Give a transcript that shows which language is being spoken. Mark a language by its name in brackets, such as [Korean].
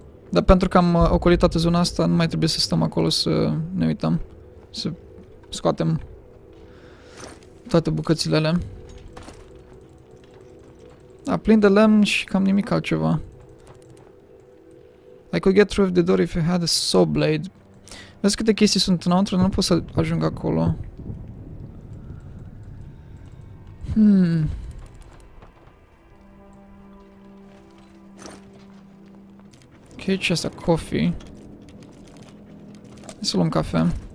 [Romanian] Dar pentru că am ocolit toată zona asta, nu mai trebuie să stăm acolo să ne uităm. Să scoatem toate bucățile alea. Da, plin de lemn și cam nimic altceva. [English] I could get through the door if you had a saw blade. [Romanian] Vezi câte chestii sunt înăuntru, nu pot să ajung acolo. Ok, ce asta? Coffee. Hai să luăm cafea.